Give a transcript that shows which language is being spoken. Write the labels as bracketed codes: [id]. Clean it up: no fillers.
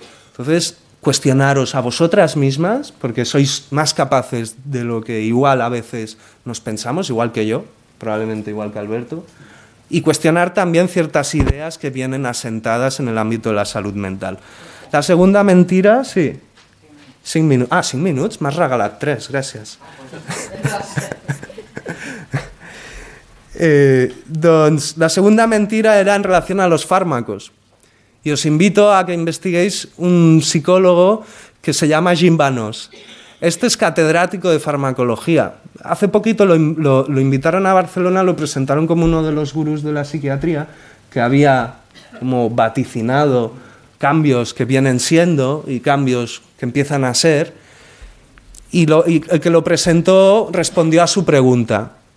[es] Entonces, cuestionaros a vosotras mismas, porque sois más capaces de lo que igual a veces nos pensamos, igual que yo, probablemente igual que Alberto, y cuestionar también ciertas ideas que vienen asentadas en el ámbito de la salud mental. La segunda mentira, sí. [ca] Cinc minuts, m'has regalat tres, gràcies. [es] Doncs la segunda mentira era en relación a los fármacos. Y os invito a que investiguéis un psicólogo que se llama Jim Banos. Este es catedrático de farmacología. Hace poquito lo invitaron a Barcelona, lo presentaron como uno de los gurús de la psiquiatría, que había como vaticinado cambios que vienen siendo y cambios que empiezan a ser, y el que lo presentó respondió a su pregunta,